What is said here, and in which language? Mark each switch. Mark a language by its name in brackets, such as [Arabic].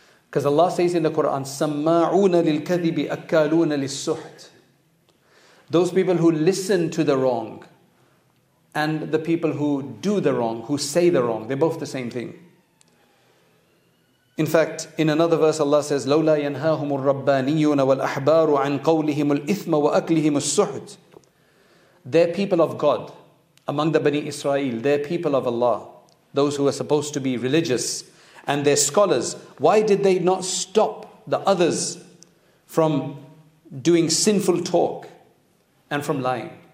[English] Because Allah says in the Quran, [Arabic] سَمَّاعُونَ لِلْكَذِبِ أَكَّالُونَ لِلْسُّحْتِ. [English] Those people who listen to the wrong and the people who do the wrong, who say the wrong, they're both the same thing. In fact, in another verse, Allah says, [Arabic] لَوْلَا يَنْهَاهُمُ الرَّبَّانِيُّونَ وَالْأَحْبَارُ عَنْ قَوْلِهِمُ الْإِثْمَ وَأَكْلِهِمُ السُّحْتِ. [English] They're people of God among the Bani Israel. They're people of Allah, those who are supposed to be religious. And they're scholars. Why did they not stop the others from doing sinful talk and from lying?